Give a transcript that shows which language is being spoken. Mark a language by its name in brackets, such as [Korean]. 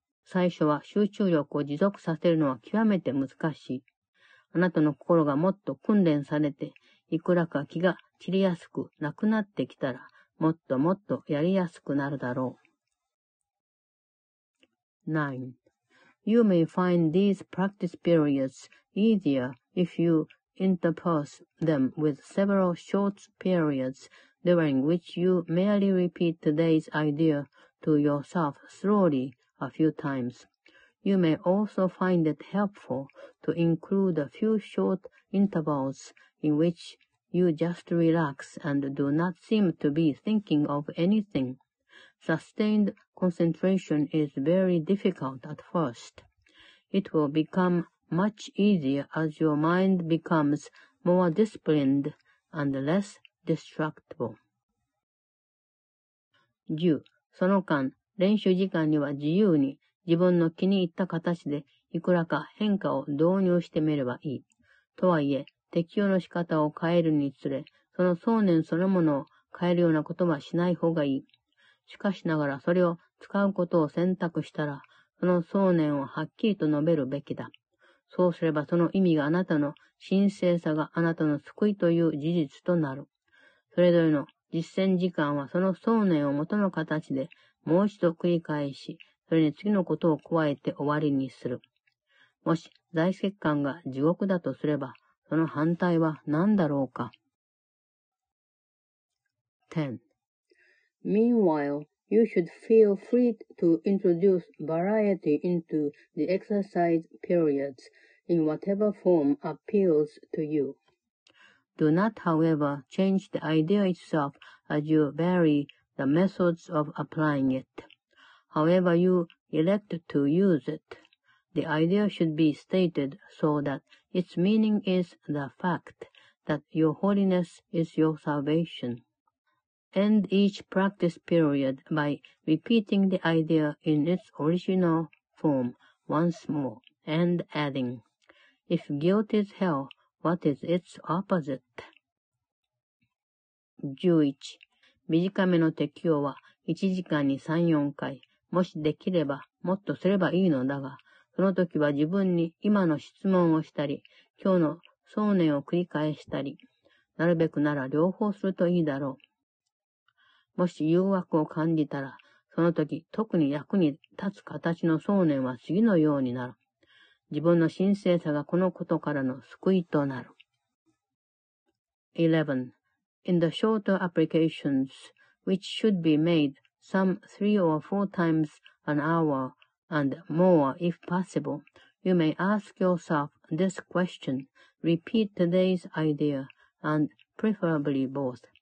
[Japanese] 最初は集中力を持続させるのは極めて難しい。あなたの心がもっと訓練されて、いくらか気が散りやすくなくなってきたら、もっともっとやりやすくなるだろう。 9. [English] You may find these practice periods easier if you interperse them with several short periods during which you merely repeat today's idea to yourself slowly a few times. You may also find it helpful to include a few short intervals in which you just relax and do not seem to be thinking of anything. Sustained concentration is very difficult at first. It will become much easier as your mind becomes more disciplined and less distractible. 10. [Japanese] その間、練習時間には自由に自分の気に入った形でいくらか変化を導入してみればいい。とはいえ、適用の仕方を変えるにつれ、その想念そのものを変えるようなことはしない方がいい。しかしながらそれを使うことを選択したら、その想念をはっきりと述べるべきだ。そうすればその意味があなたの神聖さがあなたの救いという事実となる。それぞれの実践時間はその想念を元の形でもう一度繰り返し、それに次のことを加えて終わりにする。もし在籍感が地獄だとすれば、その反対は何だろうか。 10. [English] Meanwhile, you should feel free to introduce variety into the exercise periods in whatever form appeals to you. Do not, however, change the idea itself as you vary the methods of applying it. However you elect to use it, the idea should be stated so that its meaning is the fact that your holiness is your salvation. End each practice period by repeating the idea in its original form once more and adding, If guilt is hell, what is its opposite? 11. [Japanese] 短めの適用は1時間に3、4回、もしできればもっとすればいいのだが、その時は自分に今の質問をしたり、今日の想念を繰り返したり、なるべくなら両方するといいだろう。もし誘惑を感じたら、その時特に役に立つ形の想念は次のようになる。自分の神聖さがこのことからの救いとなる。 11. [English] In the shorter applications, which should be made some three or four times an hour and more if possible, you may ask yourself this question, repeat today's idea, and preferably both.